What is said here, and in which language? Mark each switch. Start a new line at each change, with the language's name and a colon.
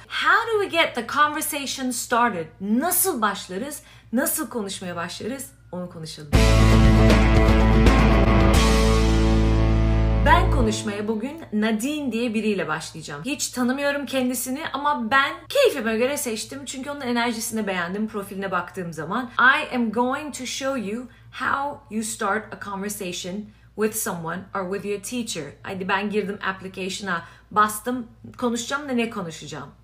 English: How do we get the conversation started?
Turkish: Nasıl başlarız, nasıl konuşmaya başlarız, onu konuşalım. Ben konuşmaya bugün Nadine diye biriyle başlayacağım. Hiç tanımıyorum kendisini ama ben keyfime göre seçtim. Çünkü onun enerjisini beğendim profiline baktığım zaman.
English: I am going to show you how you start a conversation with someone or with your teacher.
Turkish: Hadi ben girdim application'a, bastım, konuşacağım da ne konuşacağım?